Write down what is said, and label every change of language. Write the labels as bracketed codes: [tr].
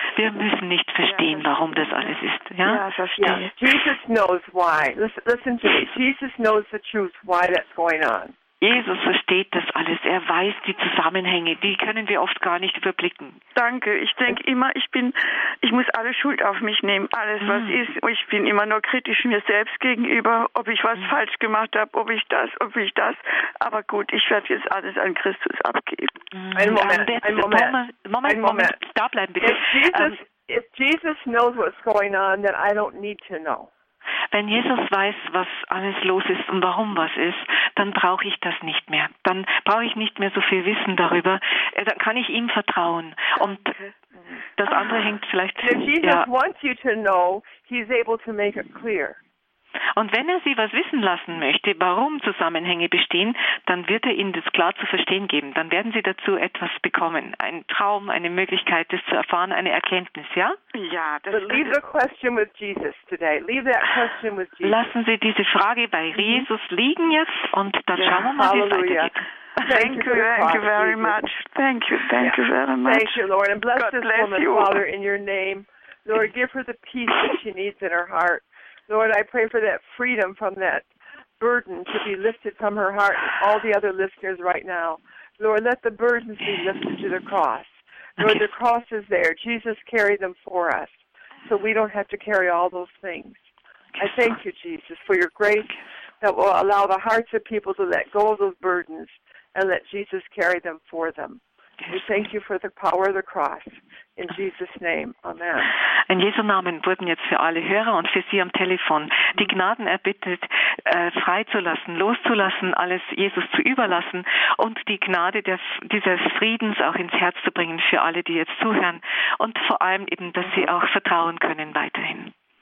[de] Wir müssen nicht verstehen, warum das alles ist. Ja, verstehe. [en] Jesus knows why. Listen to me. Jesus knows the truth, why that's going on. [de] Jesus versteht das alles. Er weiß die Zusammenhänge. Die können wir oft gar nicht überblicken. Danke. Ich denke immer, ich muss alle Schuld auf mich nehmen. Alles, was ist. Ich bin immer nur kritisch mir selbst gegenüber, ob ich was falsch gemacht habe, ob ich das. Aber gut, ich werde jetzt alles an Christus abgeben. Ein Moment. Da bleiben bitte. [en] If Jesus knows what's going on, then I don't need to know. [de] Wenn Jesus weiß, was alles los ist und warum was ist, dann brauche ich das nicht mehr. Dann brauche ich nicht mehr so viel Wissen darüber. Dann kann ich ihm vertrauen. Und das andere hängt vielleicht... [en] If Jesus wants you to know, he's able to make it clear. [de] Und wenn er Sie was wissen lassen möchte, warum Zusammenhänge bestehen, dann wird er Ihnen das klar zu verstehen geben. Dann werden Sie dazu etwas bekommen. Ein Traum, eine Möglichkeit, das zu erfahren, eine Erkenntnis, ja? Ja, das ist... [en] Leave the question with Jesus today. Leave that question with Jesus. [de] Lassen Sie diese Frage bei Jesus liegen jetzt und dann schauen wir mal, wie es weitergeht. [en] Thank you very much. Thank you very much. Thank you, Lord. And bless God this woman, you. Father, in your name. Lord, give her the peace that she needs in her heart. Lord, I pray for that freedom from that burden to be lifted from her heart and all the other listeners right now. Lord, let the burdens be lifted to the cross. Lord, the cross is there. Jesus carried them for us, so we don't have to carry all those things. I thank you, Jesus, for your grace that will allow the hearts of people to let go of those burdens and let Jesus carry them for them. We thank you for the power of the cross. In Jesus' name. Amen. [de] In Jesu Namen wurden jetzt für alle Hörer und für Sie am Telefon die Gnaden erbittet, freizulassen, loszulassen, alles Jesus zu überlassen und die Gnade dieses Friedens auch ins Herz zu bringen für alle, die jetzt zuhören und vor allem eben, dass sie auch vertrauen können weiterhin.